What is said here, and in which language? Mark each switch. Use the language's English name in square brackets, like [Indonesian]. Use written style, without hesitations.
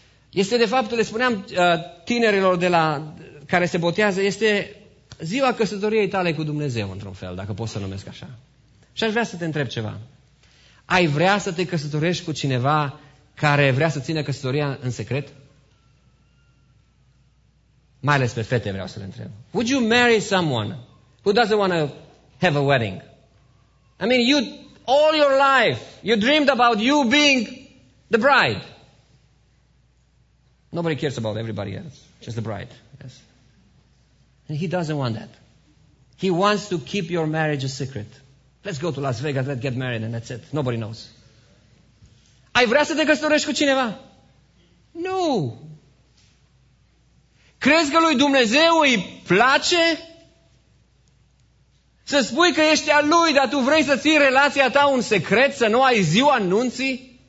[Romanian] Este, de fapt, le spuneam tinerilor de la care se botează, este ziua căsătoriei tale cu Dumnezeu, într-un fel, dacă pot să numesc așa. Și aș vrea să te întreb ceva. Ai vrea să te căsătorești cu cineva care vrea să țină căsătoria în secret? Mai ales pe fete vreau să le întreb. [English] Would you marry someone who doesn't want to have a wedding? I mean, you, all your life, you dreamed about you being the bride. Nobody cares about everybody else, just the bride, yes. And he doesn't want that. He wants to keep your marriage a secret. Let's go to Las Vegas, let's get married, and that's it. Nobody knows. [Romanian] Ai vrea să te căsătorești cu cineva? Nu! Crezi că lui Dumnezeu îi place să spui că ești al lui, dar tu vrei să ții relația ta un secret, să nu ai ziua nunții?